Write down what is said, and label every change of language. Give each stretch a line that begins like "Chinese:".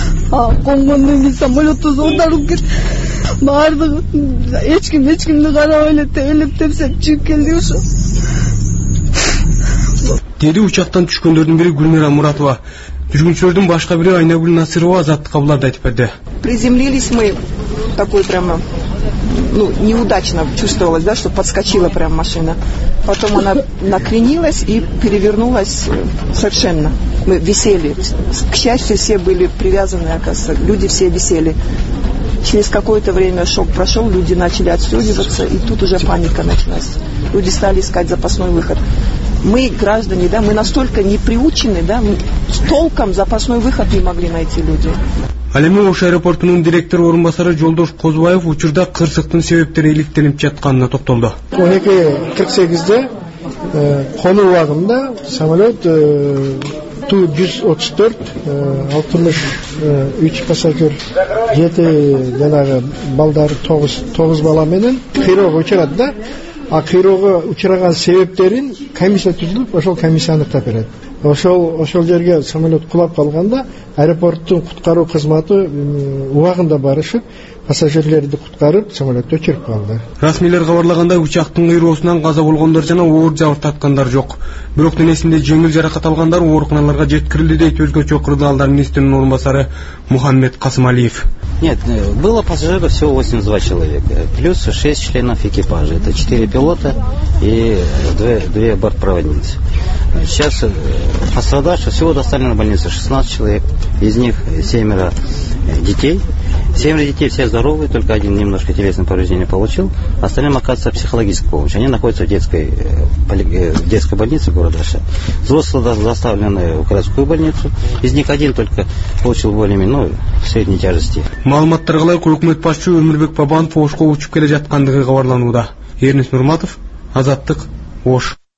Kyrgyz: Конгондон кийин самолетибиз оодарылып кетти. Баардыгы эч кимди карап эле тебелеп тепсеп чыгып келди ушу. Деди учактан түшкөндөрдүн бири Гүлмира Муратова. Жүргүнчүлөрдүн башка бири Айнагүл Насырова Азаттыкка буларды айтып берди.
Russian: Приземлились мы такой прямо. Ну, неудачно чувствовалось, да, что подскочила прям машина. Потом она накренилась и перевернулась совершенно. Мы висели. К счастью, все были привязаны, оказывается. Люди все висели. Через какое-то время шок прошел, люди начали отстегиваться, и тут уже паника началась. Люди стали искать запасной выход. Мы, граждане, да, мы настолько не приучены, да, толком запасной выход не могли найти люди.
Kyrgyz: Ал эми Ош аэропортунун директору орун басары Жолдош Козубаев учурда кырсыктын себептери иликтенип жатканына токтолду. 12:48 конуу убагында самолет Ту-134 63 пассажир 7 жанагы балдар 9 бала менен кыйроого учурат да. А кыйроого учураган себептерин комиссия түзүлүп, ошол комиссия аныктап берет. Ошол жерге самолет кулап калганда аэропорттун куткаруу кызматы убагында барышып пассажирлерди куткарып самолетти өчүрүп калды. Расмийлер кабарлагандай учактын кыйроосунан каза болгондор жана оор жабыртаткандар жок. Бирок денесинде жеңил жаракат алгандар ооруканаларга жеткирилди, дейт өзгөчө кырдаалдар министринин орун басары Мухаммед Касымалиев.
Russian: Нет, было пассажиров всего 82 человека, плюс 6 членов экипажа, это 4 пилота и 2 бортпроводницы. Сейчас пострадавших всего доставлено в больницу 16 человек, из них 7 детей. 7 детей все здоровы, только один немножко телесное повреждение получил. Остальным оказывается психологическая помощь. Они находятся в детской больнице города Аша. Взрослые доставлены в городскую больницу. Из них один только получил более-менее средней тяжести.
Kyrgyz: Маалымат тыргылайк, өкмөт башчы Өмүрбек Бабанов Ошко учуп келе жаткандыгы кабарланууда. Эрнис Нурматов, Азаттык, Ош.